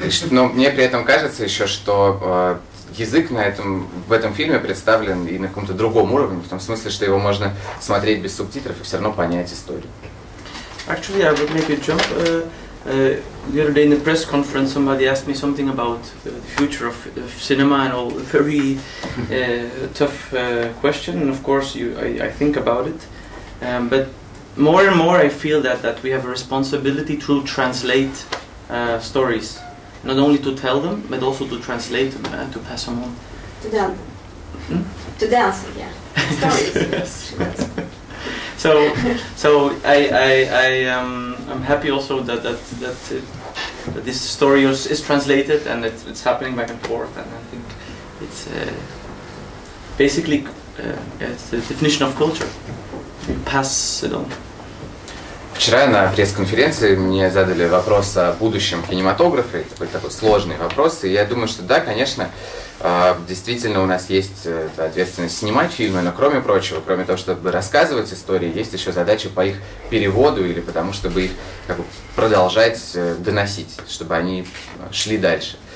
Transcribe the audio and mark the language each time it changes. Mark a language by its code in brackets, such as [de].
[ru] Но мне при этом кажется еще, что язык в этом фильме представлен и на каком-то другом уровне, в том смысле, что его можно смотреть без субтитров и все равно понять историю. [en] Actually, I would make a jump. The other day in the press conference, somebody asked me something about the future of cinema and all. Very tough question, and of course, I think about it. But more and more, I feel that we have a responsibility to translate stories. Not only to tell them, but also to translate them and to pass them on. To dance. To dance, yeah. Stories. So I'm happy also that this story is translated and it's happening back and forth. And I think it's basically it's the definition of culture. You pass it on. [ru] Вчера на пресс-конференции мне задали вопрос о будущем кинематографа, такой сложный вопрос, и я думаю, что да, конечно, действительно у нас есть ответственность снимать фильмы, но кроме прочего, кроме того, чтобы рассказывать истории, есть еще задача по их переводу или потому, чтобы их как бы продолжать доносить, чтобы они шли дальше.